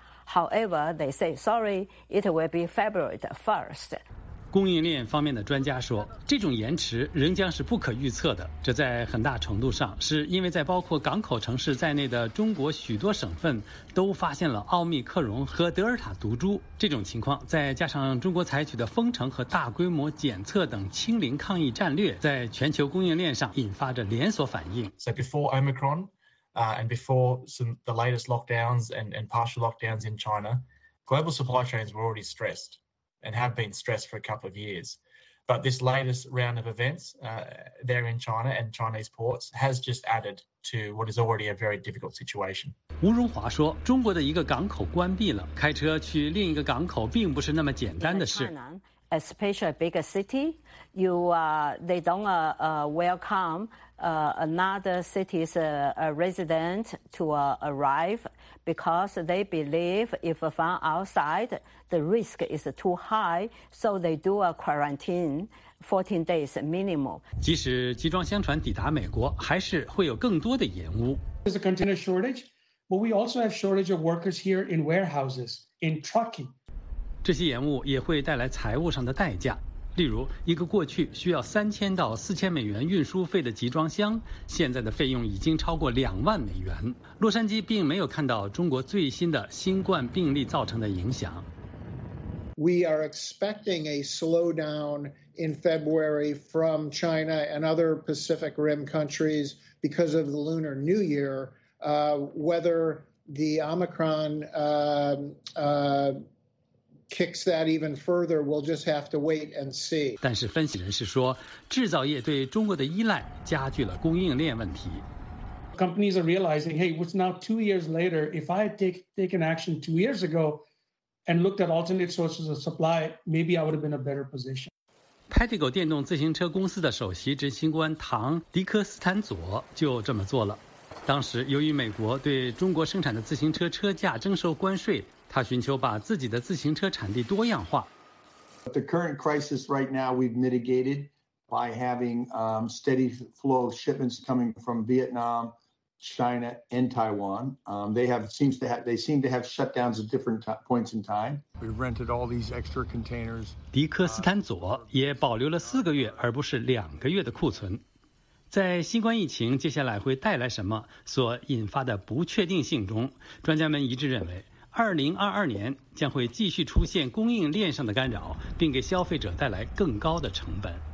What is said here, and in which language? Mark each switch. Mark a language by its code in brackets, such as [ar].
[en] However, they say, sorry, it will be February 1st. [zh] 供应链方面的专家说，这种延迟仍将是不可预测的，这在很大程度上是因为在包括港口城市在内的中国许多省份都发现了奥密克戎和德尔塔毒株，这种情况再加上中国采取的封城和大规模检测等清零抗疫战略，在全球供应链上引发着连锁反应。 [en] So before Omicron, and before some the latest lockdowns and partial lockdowns in China, global supply chains were already stressed. And have been stressed for a couple of years. But this latest round of events there in China and Chinese ports has just added to what is already a very difficult situation. [zh] 吴荣华说，中国的一个港口关闭了，开车去另一个港口并不是那么简单的事。 [en] Especially a bigger city, you, they don't welcome another city's resident to arrive because they believe if found outside, the risk is too high, so they do a quarantine 14 days minimum. [zh] 即使集装箱船抵达美国，还是会有更多的延误。 [en] There's a container shortage, but we also have shortage of workers here in warehouses, in trucking. [zh] 这些延误也会带来财务上的代价，例如一个过去需要3000到4000美元运输费的集装箱，现在的费用已经超过20000美元。洛杉矶并没有看到中国最新的新冠病例造成的影响。 [en] We are expecting a slowdown in February from China and other Pacific Rim countries because of the Lunar New Year. Whether the Omicron kicks that even further, we'll just have to wait and see. [zh] 但是分析人士说，制造业对中国的依赖加剧了供应链问题。 [en] Companies are realizing, hey, it's now 2 years later. If I had taken action 2 years ago and looked at alternate sources of supply, maybe I would have been in a better position. [zh] Pedigo 电动自行车公司的首席执行官唐·迪克斯坦佐就这么做了。当时由于美国对中国生产的自行车车架征收关税，他寻求把自己的自行车产地多样化。 [en] The current crisis right now we've mitigated by having steady flow of shipments coming from Vietnam, China, and Taiwan. They seem to have shutdowns at different points in time. We rented all these extra containers. [zh] 迪克斯坦佐也保留了4个月而不是2个月的库存。在新冠疫情接下来会带来什么所引发的不确定性中，专家们一致认为2022年将会继续出现供应链上的干扰，并给消费者带来更高的成本。